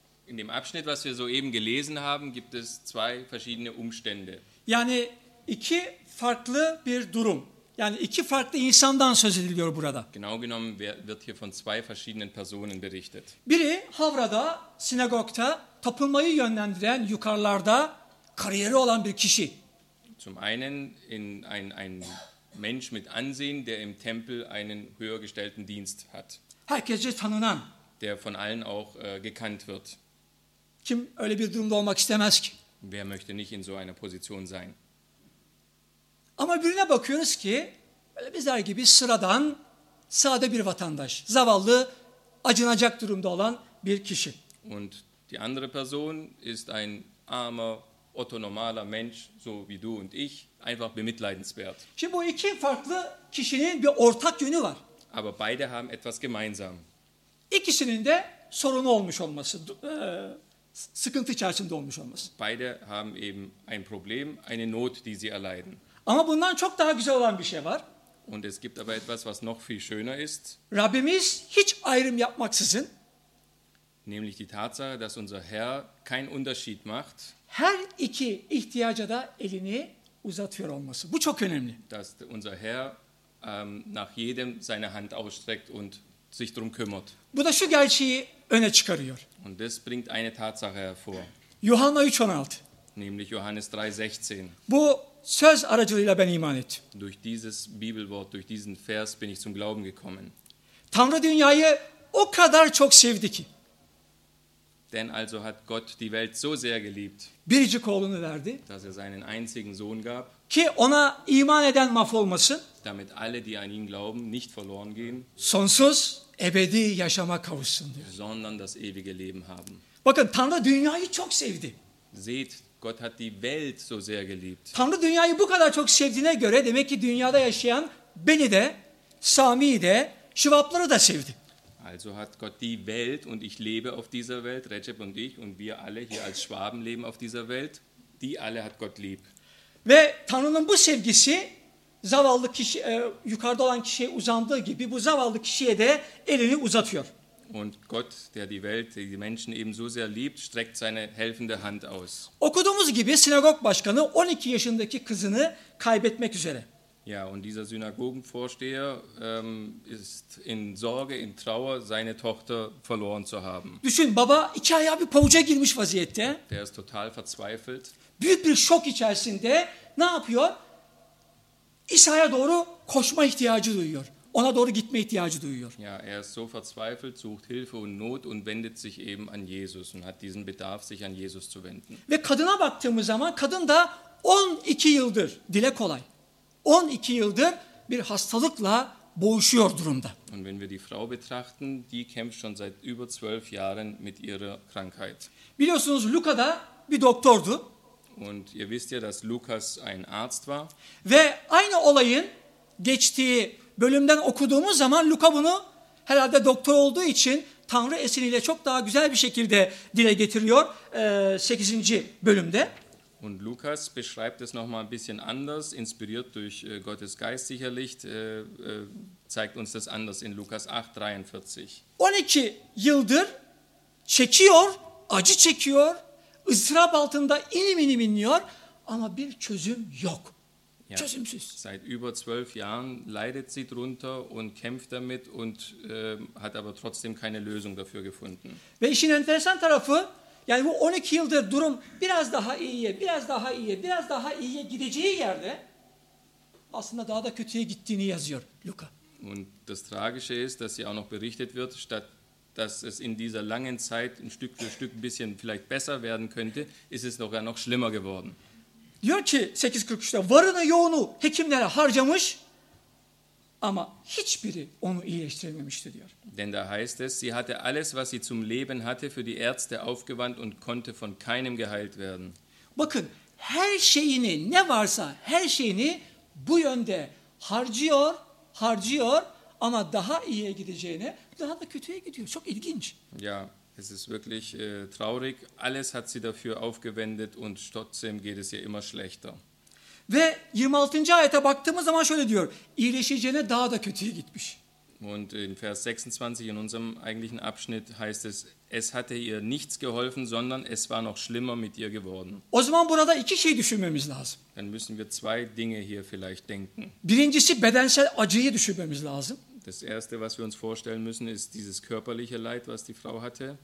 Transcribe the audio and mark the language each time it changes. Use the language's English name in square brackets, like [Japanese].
[German] In dem Abschnitt, was wir soeben gelesen haben, gibt es zwei verschiedene Umstände. [Turkish] Yani iki farklı bir durum. Yani iki farklı insandan söz ediliyor burada. [German] Genau genommen wird hier von zwei verschiedenen Personen berichtet. [Turkish] Biri Havra'da, sinagogta, tapınmayı yönlendiren, yukarılarda kariyeri olan bir kişi. [German] Zum einen in ein Mensch mit Ansehen, der im Tempel einen höher gestellten Dienst hat. [Turkish] Herkese tanınan. [German] Der von allen auch gekannt wird. [Turkish] Kim öyle bir durumda olmak istemez ki? [German] Wer möchte nicht in so einer Position sein? [Turkish] Ama birine bakıyoruz ki böyle bizler gibi sıradan, sade bir vatandaş, zavallı, acınacak durumda olan bir kişi. [German] Und die andere Person ist ein armer, Otto normaler Mensch, so wie du und ich, einfach bemitleidenswert. [Turkish] Şimdi bu iki farklı kişinin bir ortak yönü var. [German] Aber beide haben etwas gemeinsam. [Turkish] İkisinin de sorunu olmuş olması, sıkıntı içerisinde olmuş olması. [German] Beide haben eben ein Problem, eine Not, die sie erleiden. [Turkish] Ama bundan çok daha güzel olan bir şey var. [German] Und es gibt aber etwas, was noch viel schöner ist. [Turkish] Rabbimiz hiç ayrım yapmaksızın. [German] Nämlich die Tatsache, dass unser Herr keinen Unterschied macht. [Turkish] Her iki ihtiyaca da elini uzatıyor olması. Bu çok önemli. [German] Dass unser Herr nach jedem seine Hand ausstreckt und sich drum kümmert. [Turkish] Bu da şu gerçeği öne çıkarıyor. [German] Und das bringt eine Tatsache hervor. [Turkish] Johanna 3:16. [German] Nämlich Johannes 3:16. [Turkish] Bu söz aracılığıyla ben iman ettim. [German] Durch dieses Bibelwort, durch diesen Vers bin ich zum Glauben gekommen. [Turkish] Tanrı dünyayı o kadar çok sevdi ki. [German] Denn also hat Gott die Welt so sehr geliebt, [Turkish] biricik oğlunu verdi, [German] dass er seinen einzigen Sohn gab, [Turkish] ki ona iman eden mahvolmasın, [German] damit alle, die an ihn glauben, nicht verloren gehen, [Turkish] sonsuz, ebedi yaşama kavuşsun diyor, [German] sondern das ewige Leben haben. [Turkish] Bakın, Tanrı dünyayı çok sevdi. [German] Seht, Gott hat die Welt so sehr geliebt. [Turkish] Tanrı dünyayı bu kadar çok sevdiğine göre, demek ki dünyada yaşayan beni de, Sami'yi de, Şivapları da sevdi. [German] Also hat Gott die Welt und ich lebe auf dieser Welt, Recep und ich und wir alle hier als Schwaben leben auf dieser Welt, die alle hat Gott lieb. [Turkish] Ve Tanrı'nın bu sevgisi zavallı kişi yukarıda olan kişiye uzandığı gibi bu zavallı kişiye de elini uzatıyor. [German] Und Gott, der die Welt, die Menschen eben so sehr liebt, streckt seine helfende Hand aus. [Turkish] Okuduğumuz gibi sinagog başkanı 12 yaşındaki kızını kaybetmek üzere. [German] Ja, und dieser Synagogenvorsteher ist in Sorge, in Trauer, seine Tochter verloren zu haben. [Turkish] Düşün, baba iki ayağı bir pavuca girmiş vaziyette. [German] Der ist total verzweifelt. [Turkish] Büyük bir şok içerisinde ne yapıyor? İsa'ya doğru koşma ihtiyacı duyuyor. Ona doğru gitme ihtiyacı duyuyor. [German] Ja, er ist so verzweifelt, sucht Hilfe und Not und wendet sich eben an Jesus und hat diesen Bedarf, sich an Jesus zu wenden. [Turkish] Ve kadına baktığımız zaman kadın da 12 yıldır dile kolay. 12 yıldır bir hastalıkla boğuşuyor durumda. [German] Und wenn wir die Frau betrachten, die kämpft schon seit über 12 Jahren mit ihrer Krankheit. [Turkish] Biliyorsunuz Luka da bir doktordu. [German] Und ihr wisst ja, dass Lukas ein Arzt war. [Turkish] Ve aynı olayın geçtiği bölümden okuduğumuz zaman Luka bunu herhalde doktor olduğu için Tanrı esiniyle çok daha güzel bir şekilde dile getiriyor 8. bölümde. [German] Und Lukas beschreibt es nochmal ein bisschen anders, inspiriert durch Gottes Geist sicherlich, zeigt uns das anders in Lukas 8:43. [Turkish] 12 yıldır çekiyor, acı çekiyor, ızdırap altında inim inim inliyor ama bir çözüm yok. Ja, çözümsüz. [German] Seit über 12 Jahren leidet sie drunter und kämpft damit und hat aber trotzdem keine Lösung dafür gefunden. [Turkish] Ve işin enteresan tarafı, yani bu 12 yıldır durum biraz daha iyiye, biraz daha iyiye, biraz daha iyiye gideceği yerde aslında daha da kötüye gittiğini yazıyor Luka. [German] Und das Tragische ist, dass sie auch noch berichtet wird, statt dass es in dieser langen Zeit ein Stück für Stück ein bisschen vielleicht besser werden könnte, ist es sogar noch schlimmer geworden. [Turkish] Diyor ki 8:43'te varını yoğunu hekimlere harcamış ama hiçbiri onu iyileştirememişti diyor. [German] Denn da heißt es, sie hatte alles, was sie zum Leben hatte, für die Ärzte aufgewandt und konnte von keinem geheilt werden. [Turkish] Bakın, her şeyini, ne varsa her şeyini bu yönde harcıyor, harcıyor ama daha iyiye gideceğine, daha da kötüye gidiyor. Çok ilginç. [German] Ja, es ist wirklich traurig. Alles hat sie dafür aufgewendet und trotzdem geht es ihr immer schlechter. [Turkish] Ve 26. ayete baktığımız zaman şöyle diyor. İyileşeceğine daha da kötüye gitmiş. [German] Und in Vers 26 in unserem eigentlichen Abschnitt heißt es, es hatte ihr nichts geholfen, sondern es war noch schlimmer mit ihr geworden. [Turkish] O zaman burada iki şey düşünmemiz lazım. [German] Dann müssen wir zwei Dinge hier vielleicht denken. [Turkish] Birincisi bedensel acıyı düşünmemiz lazım. [German] Das erste, was wir uns vorstellen müssen, ist dieses körperliche Leid, was die Frau hatte.